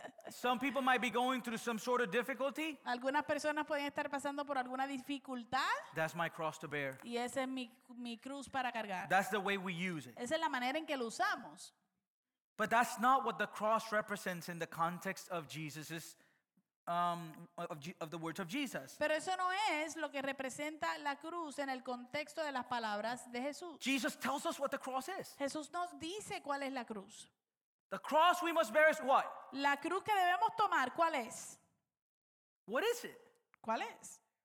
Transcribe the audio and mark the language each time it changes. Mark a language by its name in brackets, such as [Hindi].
[English] Some people might be going through some sort of difficulty. [Spanish] Algunas personas pueden estar pasando por alguna dificultad. [English] That's my cross to bear. [Spanish] Y esa es mi cruz para cargar. [English] That's the way we use it. [Spanish] Esa es la manera en que lo usamos. [English] But that's not what the cross represents in the context of Jesus's of the words of Jesus. [Spanish] Pero eso no es lo que representa la cruz en el contexto de las palabras de Jesús. [English] Jesus tells us what the cross is. [Spanish] Jesús nos dice cuál es la cruz. [English] The cross we must bear is what? [Spanish] La cruz que debemos tomar, ¿cuál es? [English] What is it? [Spanish] ¿Cuál es?